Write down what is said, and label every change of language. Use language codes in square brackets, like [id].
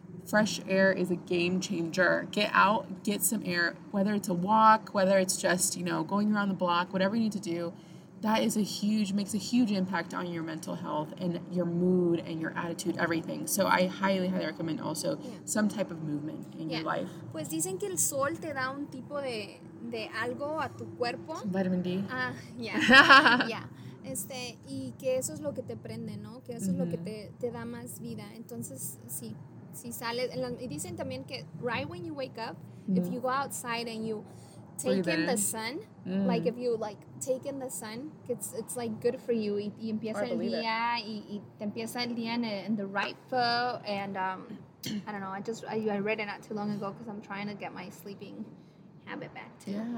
[en] Fresh air is a game changer. Get out, get some air, whether it's a walk, whether it's just, you know, going around the block, whatever you need to do, that is a huge, makes a huge impact on your mental health and your mood and your attitude, everything. So I highly, highly recommend also some type of movement in your life. [es] Pues dicen que el sol te da un tipo de algo a tu cuerpo. [en] Vitamin D. Ah, yeah. [es] Este, y que eso es lo que te prende, ¿no? Que eso es lo que te da más vida. Entonces, sí, si sales. Y dicen también que [en] right when you wake up, if you go outside and you take in the sun, like if you like take in the sun, it's like good for you. [es] Y empieza el día, y te empieza el día [en] in the right foot. And I don't know, I read it not too long ago because I'm trying to get my sleeping habit back too.